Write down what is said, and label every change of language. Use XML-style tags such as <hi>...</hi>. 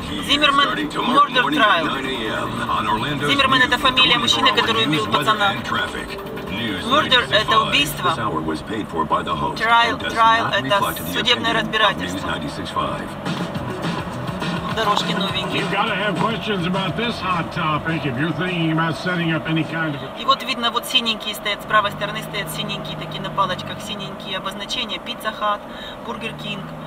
<ru>Zimmerman это фамилия мужчины, который убил пацана. Murder это убийство. Trial это судебное разбирательство. Дорожки новенькие.</ru> <en>You've got to have questions about this hot topic if you're thinking about setting up any kind of.</en> <ru>И вот видно, вот синенькие стоят, с правой стороны стоят синенькие такие на палочках, синенькие обозначения Pizza Hut, Burger King.</ru>